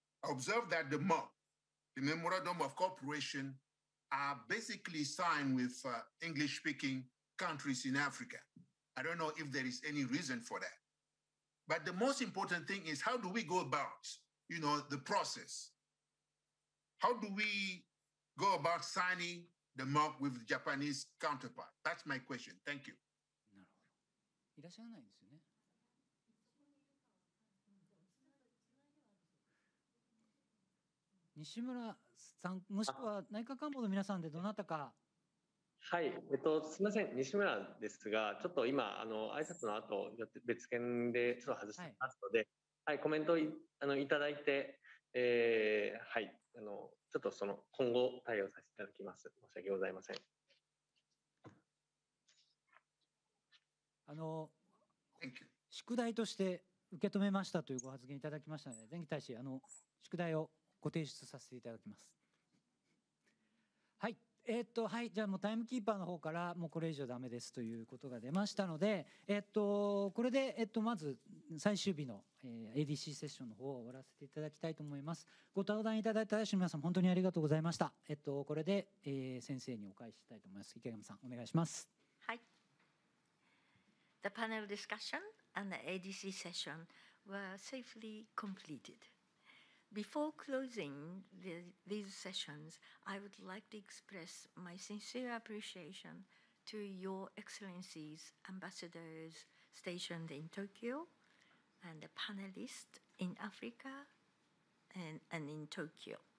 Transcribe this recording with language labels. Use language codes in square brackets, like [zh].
[en] Observe that the MOC, the Memorandum of Cooperation, are basically signed with English-speaking countries in Africa. I don't know if there is any reason for that. But the most important thing is, how do we go about, the process? How do we go about signing the MOC with the Japanese counterpart? That's my question. Thank you. [ja] なるほど。いらっしゃらないんですよね。西村さん、もしくは内閣官房の皆さんでどなたか。はい、すみません、西村ですが、ちょっと今挨拶の後別件でちょっと外していますので、はい、はい、コメントいただいてはい、ちょっとその今後対応させていただきます。申し訳ございません。宿題として受け止めましたというご発言いただきましたので、前期大使、宿題をご提出させていただきます。はい、はい、じゃあもうタイムキーパーの方からもうこれ以上ダメですということが出ましたので、これで、まず最終日の ADC セッションの方を終わらせていただきたいと思います。ご登壇いただいた大使の皆さん本当にありがとうございました。これで、先生にお返ししたいと思います。池上さんお願いします。 [en] はい、 The panel discussion and the ADC session were safely completedBefore closing these sessions, I would like to express my sincere appreciation to Your Excellencies, ambassadors stationed in Tokyo, and the panelists in Africa and in Tokyo.